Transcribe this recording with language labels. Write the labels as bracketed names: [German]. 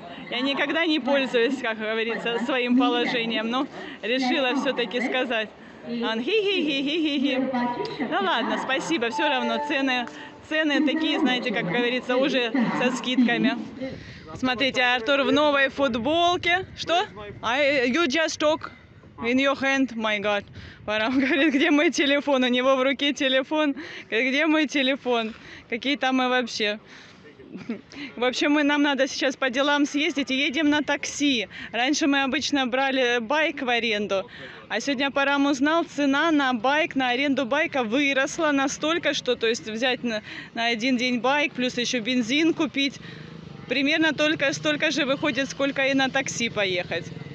[Russian] Я никогда не пользуюсь, как говорится, своим положением. Но решила все-таки сказать. Он хи-хи-хи-хи-хи-хи. Ну ладно, спасибо, все равно цены такие, знаете, как говорится, уже со скидками. Смотрите, Артур в новой футболке. Что? [English] You just talk in your hand, my God. [Russian] Парам говорит, где мой телефон? У него в руке телефон. Где мой телефон? Какие там мы вообще? В общем, нам надо сейчас по делам съездить и едем на такси. Раньше мы обычно брали байк в аренду. А сегодня Парам узнал, цена на байк, на аренду байка выросла настолько, что то есть взять на один день байк, плюс еще бензин купить, примерно только столько же выходит, сколько и на такси поехать.